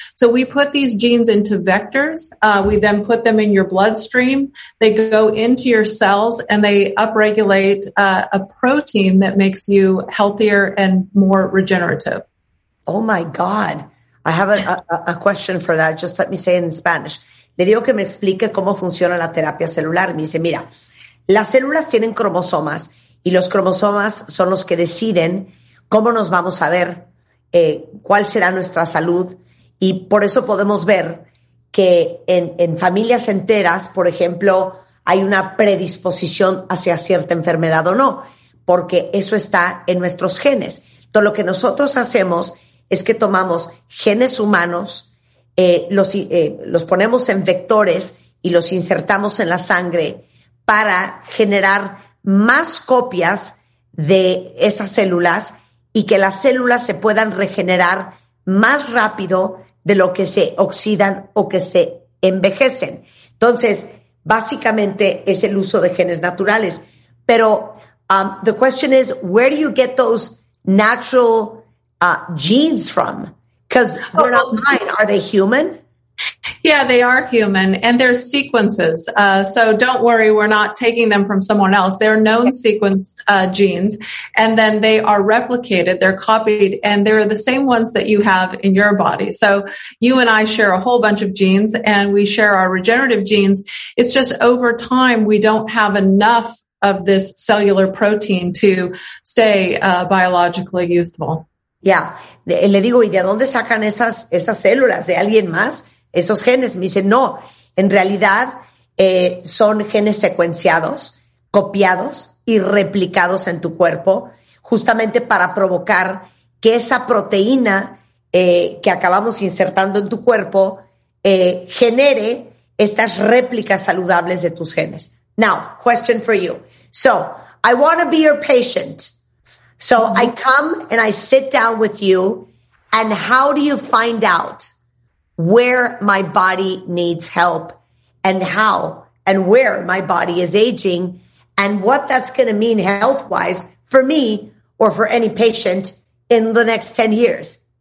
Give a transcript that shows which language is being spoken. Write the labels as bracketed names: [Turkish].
[English] So we put these genes into vectors. We then put them in your bloodstream. They go into your cells and they upregulate a protein that makes you healthier and more regenerative. Oh my God. I have a question for that. Just let me say in Spanish. [Spanish] Le digo que me explique cómo funciona la terapia celular. Me dice, mira, las células tienen cromosomas y los cromosomas son los que deciden cómo nos vamos a ver, cuál será nuestra salud. Y por eso podemos ver que en familias enteras, por ejemplo, hay una predisposición hacia cierta enfermedad o no, porque eso está en nuestros genes. Entonces, lo que nosotros hacemos es que tomamos genes humanos, los ponemos en vectores y los insertamos en la sangre para generar más copias de esas células y que las células se puedan regenerar más rápido de lo que se oxidan o que se envejecen. Entonces, básicamente es el uso de genes naturales. [English] Pero the question is, where do you get those natural genes from? Because they're not mine. Are they human? Yeah, they are human, and they're sequences. So don't worry, we're not taking them from someone else. They're known sequenced genes, and then they are replicated, they're copied, and they're the same ones that you have in your body. So you and I share a whole bunch of genes, and we share our regenerative genes. It's just over time, we don't have enough of this cellular protein to stay biologically useful. [Spanish] Yeah, le digo, ¿y de dónde sacan esas células? ¿De alguien más? Esos genes, me dicen, no, en realidad son genes secuenciados, copiados y replicados en tu cuerpo, justamente para provocar que esa proteína que acabamos insertando en tu cuerpo genere estas réplicas saludables de tus genes. [English] Now, question for you. So, I want to be your patient. So, mm-hmm. I come and I sit down with you, and how do you find out where my body needs help and how and where my body is aging and what that's going to mean health-wise for me or for any patient in the next 10 years?